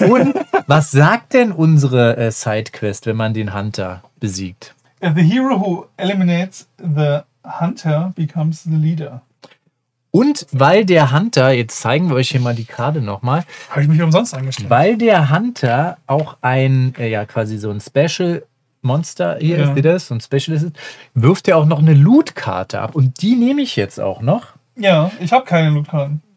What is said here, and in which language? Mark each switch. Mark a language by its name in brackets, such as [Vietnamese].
[German] Und was sagt denn unsere Sidequest, wenn man den Hunter besiegt? [English] The hero who eliminates the Hunter becomes the leader. [German] Und weil der Hunter, jetzt zeigen wir euch hier mal die Karte nochmal. Habe ich mich umsonst angestellt. Weil der Hunter auch ein, ja quasi so ein Special Monster hier ist, wie das, so ein Specialist ist, wirft er auch noch eine Loot-Karte ab. Und die nehme ich jetzt auch noch. Ja, ich habe keine Loot-Karten.